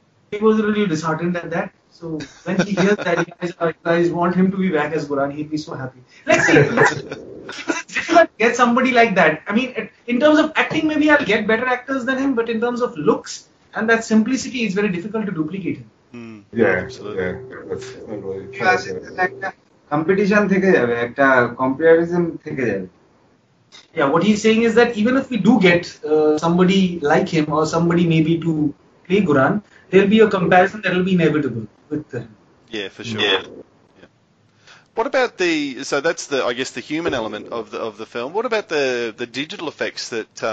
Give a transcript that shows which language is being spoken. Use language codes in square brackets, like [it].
[en] He was a little disheartened at that. So when he hears that you guys want him to be back as Quran, he'd be so happy. Let's see. It's difficult to get somebody like that. I mean, in terms of acting, maybe I'll get better actors than him, but in terms of looks and that simplicity, it's very difficult to duplicate him. Yeah, absolutely. Yeah. That's really [bn] competition থেকে যাবে একটা competition থেকে যাবে [en] Yeah, what he's saying is that even if we do get somebody like him or somebody maybe to play Quran, there'll be a comparison that will be inevitable with them. Yeah, for sure. Yeah. What about the... So that's the, I guess, the human element of the film. What about the digital effects that...